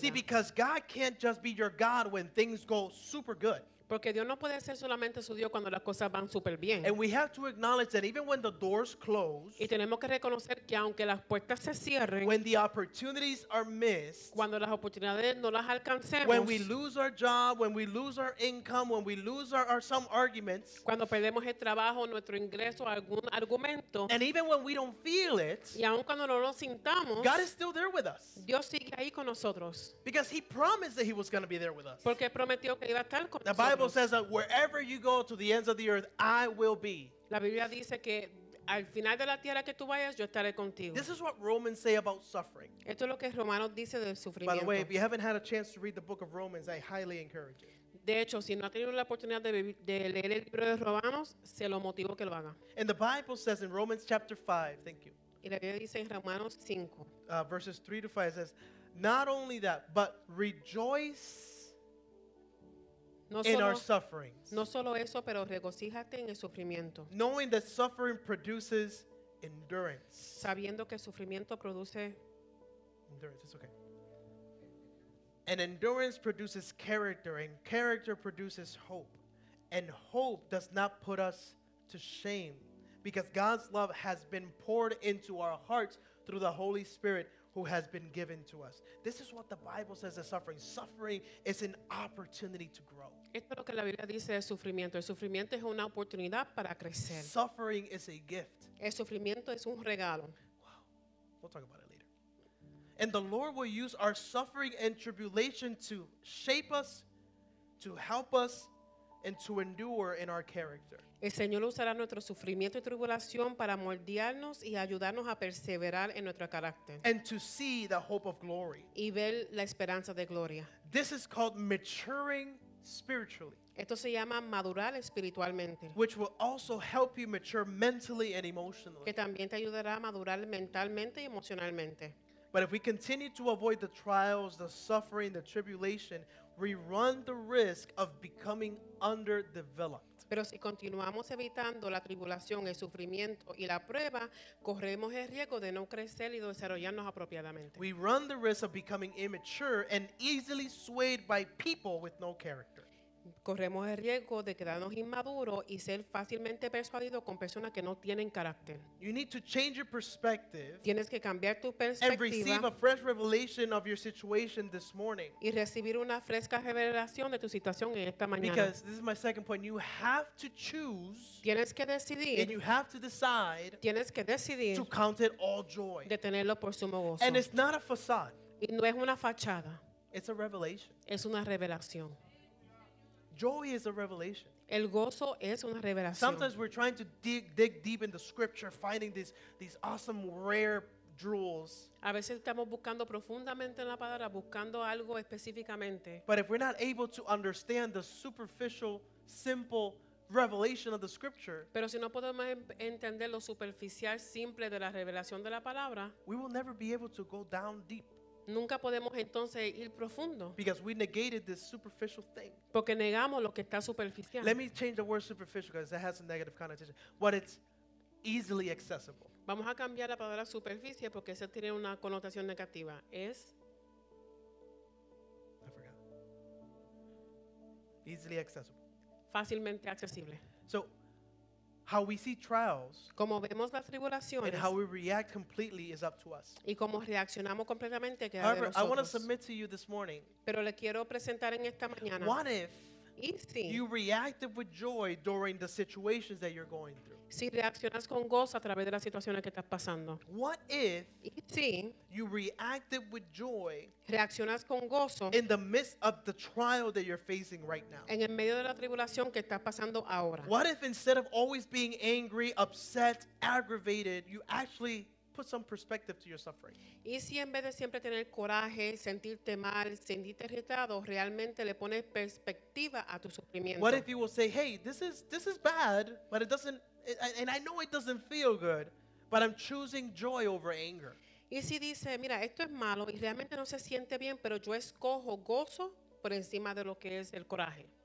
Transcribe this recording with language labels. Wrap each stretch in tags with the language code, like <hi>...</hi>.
<en>See, because God can't just be your God when things go super good.</en> <es>Porque Dios no puede ser solamente su Dios cuando las cosas van súper bien.</es> <en>And we have to acknowledge that even when the doors close,</en> <es>y tenemos que reconocer que aunque las puertas se cierren,</es> <en>when the opportunities are missed,</en> <es>cuando las oportunidades no las alcancemos,</es> <en>when we lose our job, when we lose our income, when we lose our some arguments,</en> <es>cuando perdemos el trabajo, nuestro ingreso, algún argumento,</es> <en>and even when we don't feel it,</en> <es>y aun cuando no lo sintamos,</es> <en>God is still there with us.</en> <es>Dios sigue ahí con nosotros.</es> <en>Because he promised that he was going to be there with us.</en> <es>Porque prometió que iba a estar con</es> <en>the</en> <es>nosotros.</es> <en>The Bible says that wherever you go to the ends of the earth, I will be.</en> <es>La Biblia dice que al final de la tierra que tú vayas, yo estaré contigo.</es> <en>This is what Romans say about suffering.</en> <es>Esto es lo que Romanos dice del sufrimiento.</es> <en>By the way, if you haven't had a chance to read the book of Romans, I highly encourage you.</en> <es>De hecho, si no ha tenido la oportunidad de leer el libro de Romanos, se lo motivo que lo haga.</es> <en>And the Bible says in Romans chapter 5, thank you.</en> <es>Y la Biblia dice en Romanos 5.</es> <en>Verses 3 to 5 says, not only that, but rejoice in our sufferings.</en> <es>No solo eso, pero regocíjate en el sufrimiento.</es> <en>Knowing that suffering produces endurance.</en> <es>Sabiendo que sufrimiento produce</es> <en>endurance, it's okay. And endurance produces character, and character produces hope. And hope does not put us to shame, because God's love has been poured into our hearts through the Holy Spirit who has been given to us. This is what the Bible says of suffering. Suffering is an opportunity to grow.</en> <es>Esto es lo que la Biblia dice de sufrimiento. El sufrimiento es una oportunidad para crecer.</es> <en>Suffering is a gift.</en> <es>El sufrimiento es un regalo.</es> <en>Wow. We'll talk about it later. And the Lord will use our suffering and tribulation to shape us, to help us, and to endure in our character.</en> <es>El Señor usará nuestro sufrimiento y tribulación para moldearnos y ayudarnos a perseverar en nuestro carácter.</es> <en>And to see the hope of glory.</en> <es>Y ver la esperanza de gloria.</es> <en>This is called maturing spiritually.</en> <es>Esto se llama madurar espiritualmente.</es> <en>Which will also help you mature mentally and emotionally.</en> <es>Que también te ayudará a madurar mentalmente y emocionalmente.</es> <en>But if we continue to avoid the trials, the suffering, the tribulation, we run the risk of becoming underdeveloped.</en> <es>Pero si continuamos evitando la tribulación, el sufrimiento y la prueba, corremos el riesgo de no crecer y desarrollarnos apropiadamente.</es> <en>We run the risk of becoming immature and easily swayed by people with no character.</en> <es>corremos el riesgo de quedarnos inmaduros y ser fácilmente persuadidos con personas que no tienen carácter.</es> <en>You need to change your perspective.</en> <es>Tienes que cambiar tu perspectiva.</es> <en>And receive a fresh revelation of your situation this morning.</en> <es>Y recibir una fresca revelación de tu situación en esta mañana.</es> <en>Because this is my second point. You have to choose.</en> <es>Tienes que decidir.</es> <en>And you have to decide.</en> <es>Tienes que decidir.</es> <en>To count it all joy.</en> <es>De tenerlo por sumo gozo.</es> <en>And it's not a facade.</en> <es>Y no es una fachada.</es> <en>It's a revelation.</en> <es>Es una revelación.</es> <en>Joy is a revelation.</en> <es>El gozo es una revelación.</es> <en>Sometimes we're trying to dig deep in the scripture, finding these awesome, rare jewels.</en> <es>A veces estamos buscando profundamente en la palabra, buscando algo específicamente.</es> <en>But if we're not able to understand the superficial, simple revelation of the scripture,</en> <es>pero si no podemos entender lo superficial, simple de la revelación de la palabra,</es> <en>we will never be able to go down deep.</en> <es>Nunca podemos entonces ir profundo.</es> <en>Because we negated this superficial thing.</en> <es>Porque negamos lo que está superficial.</es> <en>Let me change the word superficial because that has a negative connotation. What it's easily accessible.</en> <es>Vamos a cambiar la palabra superficie porque esa tiene una connotación negativa. Es.</es> <en>I forgot. Easily accessible.</en> <es>Fácilmente accesible.</es> <en>So, how we see trials,</en> <es>como vemos las tribulaciones,</es> <en>and how we react completely is up to us.</en> <es>Y como reaccionamos completamente queda</es> <en>However,</en> <es>de nosotros.</es> <en>I want to submit to you this morning.</en> <es>Pero le quiero presentar en esta mañana.</es> <en>What if you reacted with joy during the situations that you're going through?</en> <es>Si reaccionas con gozo a través de las situaciones que estás pasando.</es> <en>What if you reacted with joy</en> <es>reaccionas con gozo</es> <en>in the midst of the trial that you're facing right now?</en> <es>En el medio de la tribulación que estás pasando ahora.</es> <en>What if instead of always being angry, upset, aggravated, you actually put some perspective to your suffering?</en> <es>Y si en vez de siempre tener coraje, sentirte mal, sentirte irritado, realmente le pones perspectiva a tu sufrimiento.</es> <en>What if you will say, hey, this is bad, but it doesn't, and I know it doesn't feel good, but I'm choosing joy over anger.</en> <es>Y si dice, mira, esto es malo y realmente no se siente bien, pero yo escojo gozo por encima de lo que es el coraje.</es>